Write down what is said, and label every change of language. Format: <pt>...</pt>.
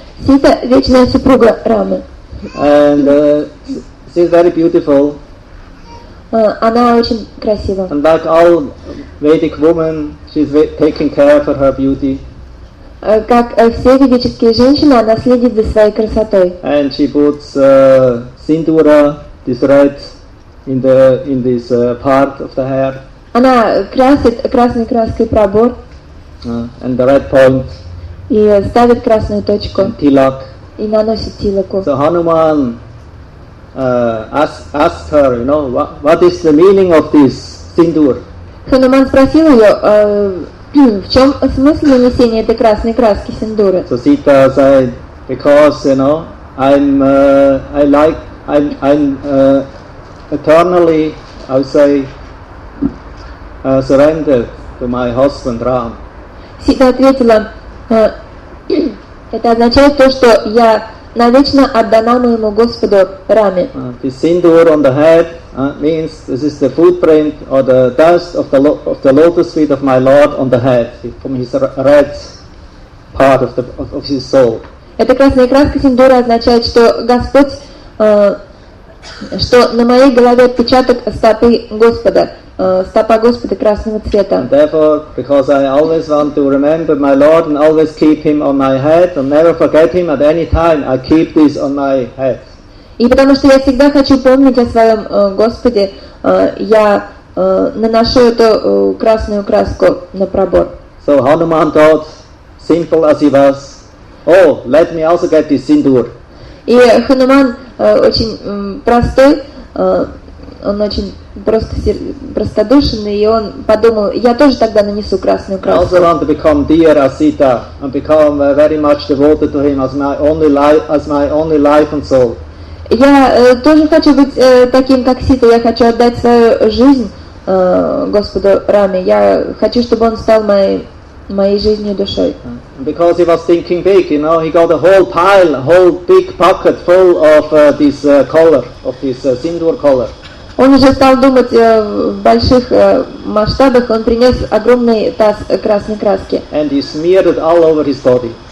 <ru>Сита вечная супруга Рамы.</ru> <en>And she is very beautiful.</en> <ru>Она очень красива.</ru> <en>And like all Vedic women, she's taking care for her beauty.</en> <ru>Как все ведические женщины, она следит за своей красотой.</ru> <en>And she puts Sindura, this red, in this part of the hair.</en> <ru>Она красит красной краской пробор.</ru> <en>And the red point.</en> <ru>И ставит красную точку.</ru> <en>And tilak.</en> <ru>И наносит тилаку.</ru> <en>So Hanuman asked her, you know, what is the meaning of this sindur?</en> <ru>Хануман спросил ее, в чем смысл нанесения этой красной краски синдуры?</ru> <en>So Sita said, because, you know, eternally, I would say, surrendered to my husband Ram.</en> <ru>Сита ответила, это означает то, что я навечно отдана моему Господу Раме.</ru> <en>The sindoor on the head means this is the footprint or the dust of the lotus feet of my Lord on the head from his red part of the of his soul.</en> <ru>Эта красная краска синдура означает, что Господь, что на моей голове отпечаток стопы Господа, стопа Господа красного цвета.</ru> <en>And therefore, because I always want to remember my Lord and always keep him on my head and never forget him at any time, I keep this on my head.</en> <ru>И потому что я всегда хочу помнить о своем Господе, я наношу эту красную краску на пробор.</ru> <en>So Hanuman thought, simple as he was, oh, let me also get this sindoor.</en> <ru>И Хануман очень простой, он очень просто простодушный, и он подумал, я тоже тогда нанесу красную краску.</ru> <en>I also want to become dear as Sita and become very much devoted to him as my only life and soul.</en> <ru>Я тоже хочу быть таким, как Сита. Я хочу отдать свою жизнь Господу Раме. Я хочу, чтобы он стал моей жизнью и душой.</ru> <en>Because he was thinking big, you know, he got a whole pile, a whole big pocket full of this collar, of this sindoor collar.</en> <ru>Он уже стал думать в больших масштабах, он принес огромный таз красной краски.</ru> <en>And he smeared it all over his body.</en>